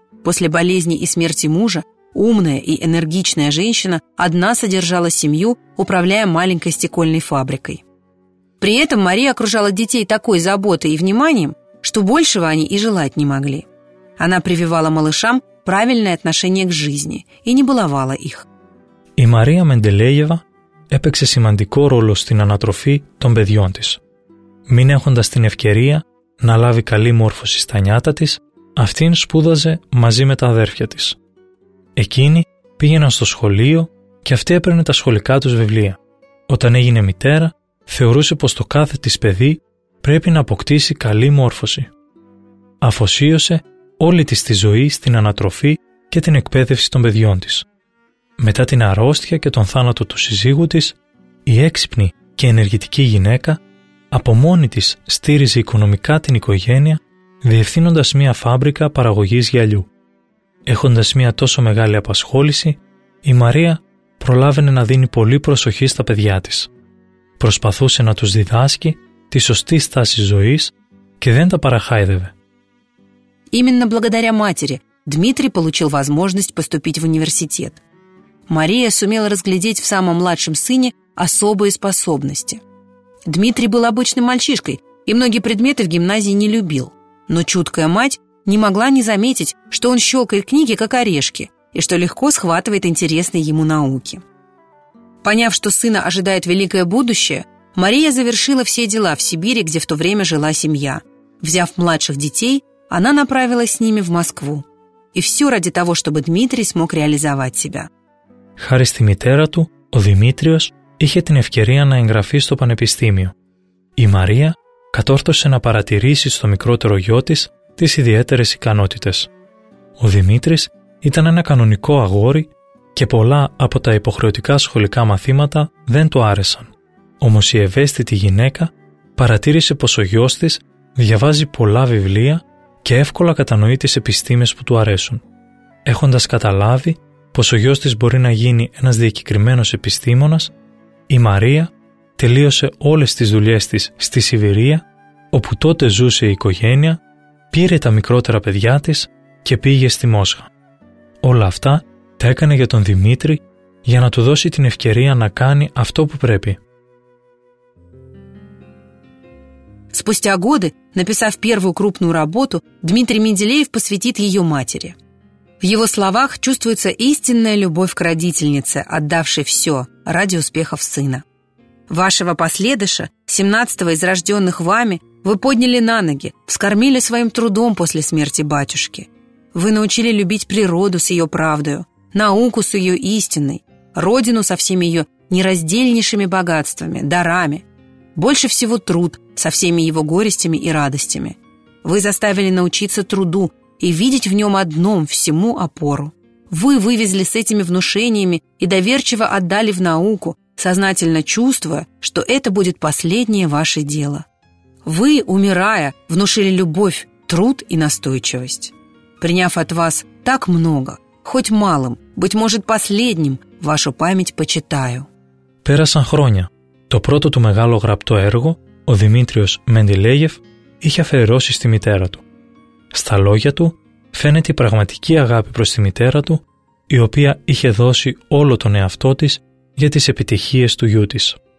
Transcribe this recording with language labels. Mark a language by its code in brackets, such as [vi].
[ru] После болезни и смерти мужа умная и энергичная женщина одна содержала семью, управляя маленькой стекольной фабрикой. При этом Мария окружала детей такой заботой и вниманием, что большего они и желать не могли. Она прививала малышам правильное отношение к жизни и не баловала их. И Мария Менделеева [el] έπαιξε σημαντικό ρόλο στην ανατροφή των παιδιών της. Μην έχοντας την ευκαιρία να λάβει καλή μόρφωση στα νιάτα της, αυτήν σπούδαζε μαζί με τα αδέρφια της. Εκείνοι πήγαιναν στο σχολείο και αυτή έπαιρνε τα σχολικά τους βιβλία. Όταν έγινε μητέρα, θεωρούσε πως το κάθε της παιδί πρέπει να αποκτήσει καλή μόρφωση. Αφοσίωσε όλη της τη ζωή στην ανατροφή και την εκπαίδευση των παιδιών της. Μετά την αρρώστια και τον θάνατο του σύζυγου της, η έξυπνη και ενεργητική γυναίκα από μόνη της στήριζε οικονομικά την οικογένεια, διευθύνοντας μια φάμπρικα παραγωγής γυαλιού. Έχοντας μια τόσο μεγάλη απασχόληση, η Μαρία προλάβαινε να δίνει πολύ προσοχή στα παιδιά της. Προσπαθούσε να τους διδάσκει τη σωστή στάση ζωής και δεν τα παραχάιδευε. [ru] Именно благодаря матери Дмитрий получил возможность поступить в университет. Мария сумела разглядеть в самом младшем сыне особые способности. Дмитрий был обычным мальчишкой и многие предметы в гимназии не любил. Но чуткая мать не могла не заметить, что он щелкает книги, как орешки, и что легко схватывает интересные ему науки. Поняв, что сына ожидает великое будущее, Мария завершила все дела в Сибири, где в то время жила семья. Взяв младших детей, она направилась с ними в Москву. И все ради того, чтобы Дмитрий смог реализовать себя. [el] Χάρη στη μητέρα του, ο Δημήτριος είχε την ευκαιρία να εγγραφεί στο πανεπιστήμιο. Η Μαρία κατόρθωσε να παρατηρήσει στο μικρότερο γιο της τις ιδιαίτερες ικανότητες. Ο Δημήτρης ήταν ένα κανονικό αγόρι και πολλά από τα υποχρεωτικά σχολικά μαθήματα δεν του άρεσαν. Όμως η ευαίσθητη γυναίκα παρατήρησε πως ο γιος της διαβάζει πολλά βιβλία και εύκολα κατανοεί τις επιστήμες που του αρέσουν. Έχοντας καταλάβει πως ο γιος της μπορεί να γίνει ένας διακεκριμένος επιστήμονας, η Μαρία τελείωσε όλες τις δουλειές της στη Σιβηρία, όπου τότε ζούσε η οικογένεια, πήρε τα μικρότερα παιδιά της και πήγε στη Μόσχα. Όλα αυτά τα έκανε για τον Δημήτρη, για να του δώσει την ευκαιρία να κάνει αυτό που πρέπει. [ru] Спустя годы, написав первую крупную работу, Дмитрий Менделеев посвятит ее матери. В его словах чувствуется истинная любовь к родительнице, отдавшей все ради успехов сына. Вашего последыша, 17-го из рожденных вами, вы подняли на ноги, вскормили своим трудом после смерти батюшки. Вы научили любить природу с ее правдою, науку с ее истиной, родину со всеми ее нераздельнейшими богатствами, дарами. Больше всего труд со всеми его горестями и радостями. Вы заставили научиться труду и видеть в нем одном всему опору. Вы вывезли с этими внушениями и доверчиво отдали в науку, сознательно чувствуя, что это будет последнее ваше дело. Вы, умирая, внушили любовь, труд и настойчивость. Приняв от вас так много, хоть малым, быть может последним, вашу память почитаю. Пересан хроня. [el] Το πρώτο του μεγάλο γραπτό έργο, ο Δημήτριος Μεντιλέγεφ είχε αφαιρώσει στη μητέρα του. Στα λόγια του φαίνεται η πραγματική αγάπη προς τη μητέρα του, η οποία είχε δώσει όλο τον εαυτό της για τις επιτυχίες του γιού της.